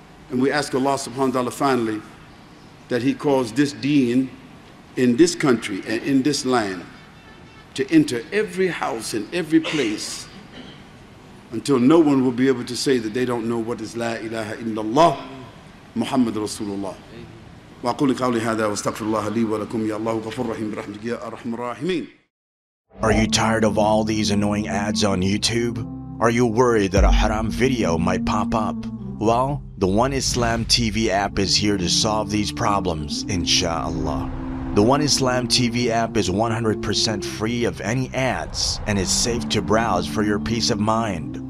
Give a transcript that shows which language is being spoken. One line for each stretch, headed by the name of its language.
English: And we ask Allah subhanahu wa ta'ala finally that he cause this deen in this country and in this land to enter every house and every place until no one will be able to say that they don't know what is La ilaha illallah Muhammad Rasulullah.
Arabic: وأقول قولي هذا واستغفر الله لي ولكم يا الله غفور رحيم برحمتك يا أرحم الراحمين.
English: Are you tired of all these annoying ads on YouTube? Are you worried that a haram video might pop up? Well, the One Islam TV app is here to solve these problems, inshallah. The One Islam TV app is 100% free of any ads and is safe to browse for your peace of mind.